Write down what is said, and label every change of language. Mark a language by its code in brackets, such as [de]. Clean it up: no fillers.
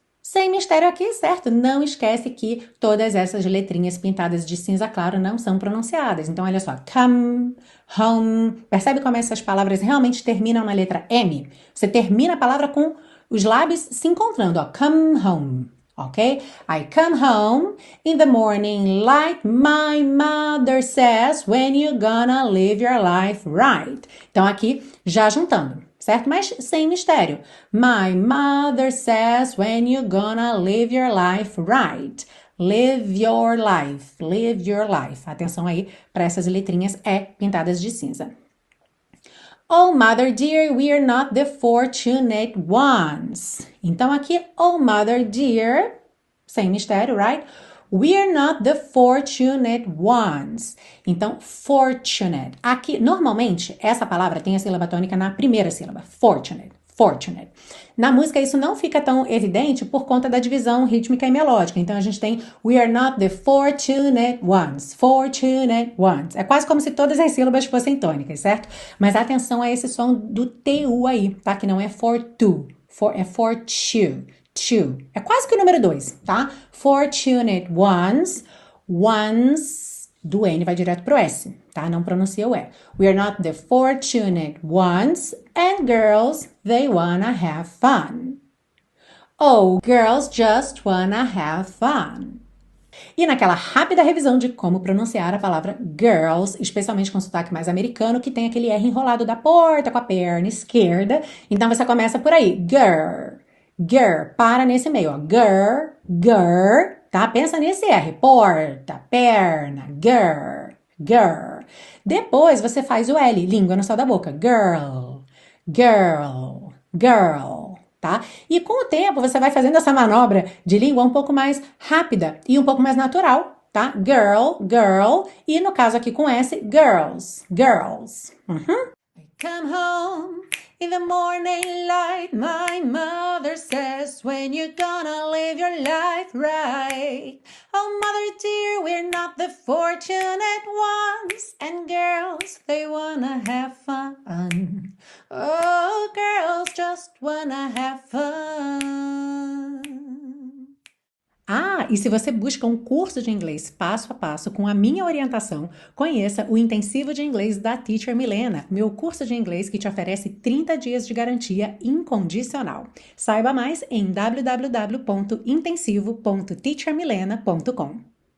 [pt] Sem mistério aqui, certo? Não esquece que todas essas letrinhas pintadas de cinza claro não são pronunciadas. Então, olha só. [en] Come, home. [pt] Percebe como essas palavras realmente terminam na letra M? Você termina a palavra com os lábios se encontrando, ó. [en] Come home, ok? I come home in the morning light. My mother says, when you gonna live your life right? [pt] Então, aqui, já juntando, certo? Mas sem mistério. [en] My mother says, when you gonna live your life right? Live your life, live your life. [pt] Atenção aí para essas letrinhas E pintadas de cinza. [en] Oh, mother dear, we are not the fortunate ones. [pt] Então, aqui, [en] oh, mother dear, [pt] sem mistério, [en] right? We are not the fortunate ones. [pt] Então, fortunate. Aqui, normalmente, essa palavra tem a sílaba tônica na primeira sílaba. Fortunate, fortunate. Na música, isso não fica tão evidente por conta da divisão rítmica e melódica. Então, a gente tem [en] we are not the fortunate ones. [pt] É quase como se todas as sílabas fossem tônicas, certo? Mas atenção a esse som do TU aí, tá? Que não é for tu, for, é for tu. Two. É quase que o número 2, tá? [en] Fortunate ones. [pt] Ones, do N vai direto pro S, tá? Não pronuncia o E. [en] We are not the fortunate ones. And girls, they wanna have fun. Oh, girls just wanna have fun. [pt] E naquela rápida revisão de como pronunciar a palavra girls, especialmente com sotaque mais americano, que tem aquele R enrolado da porta com a perna esquerda. Então você começa por aí. Girl. Girl, para nesse meio, ó. Girl, girl, tá? Pensa nesse R. Porta, perna, girl, girl. Depois você faz o L, língua no céu da boca. Girl, girl, girl, tá? E com o tempo você vai fazendo essa manobra de língua um pouco mais rápida e um pouco mais natural, tá? Girl, girl, e no caso aqui com S, girls, girls. [en] Come home in the morning light, my mother says, when you gonna live your life right? Oh, mother dear, we're not the fortunate ones, and girls, they wanna have fun. Oh, girls just wanna have fun. [pt] Ah, e se você busca um curso de inglês passo a passo com a minha orientação, conheça o intensivo de inglês da Teacher Milena, meu curso de inglês que te oferece 30 dias de garantia incondicional. Saiba mais em www.intensivo.teachermilena.com.